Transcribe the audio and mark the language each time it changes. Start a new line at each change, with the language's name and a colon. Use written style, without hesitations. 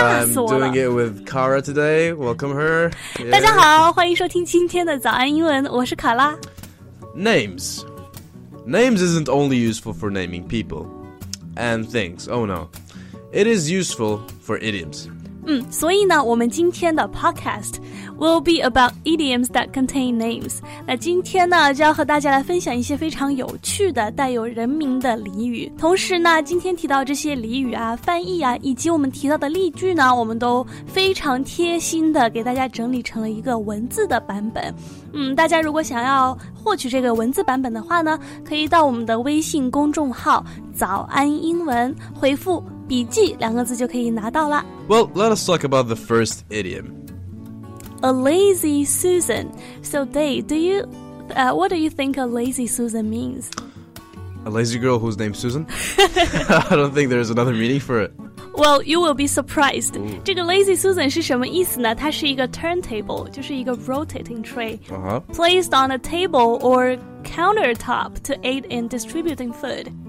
English: I'm doing it with Kara today. Welcome her.
Chinese: 大家好，欢迎收听今天的早安英文。我是卡拉。
English: Names. Names isn't only useful for naming people and things. Oh no. It is useful for idioms.
Chinese: 所以呢，我们今天的
English: podcast will be about idioms that contain names.
Chinese: 那今天呢，就要和大家来分享一些非常有趣的带有人名的俚语。同时呢，今天提到这些俚语啊、翻译啊，以及我们提到的例句呢，我们都非常贴心的给大家整理成了一个文字的版本。大家如果想要获取这个文字版本的话呢，可以到我们的微信公众号早安英文回复笔记两个字就可以拿到了。
English: Well, let us talk about the first idiom. A lazy Susan. So, Dave, what do you think a lazy Susan means? A lazy girl whose name's Susan? I don't think there's another meaning for it. Well, you will be surprised. Ooh.
Chinese: 这个
English: lazy Susan
Chinese: 是什么意思呢？它是一个
English: turntable,
Chinese: 就是一个
English: rotating tray,、placed on a table or countertop to aid in distributing food.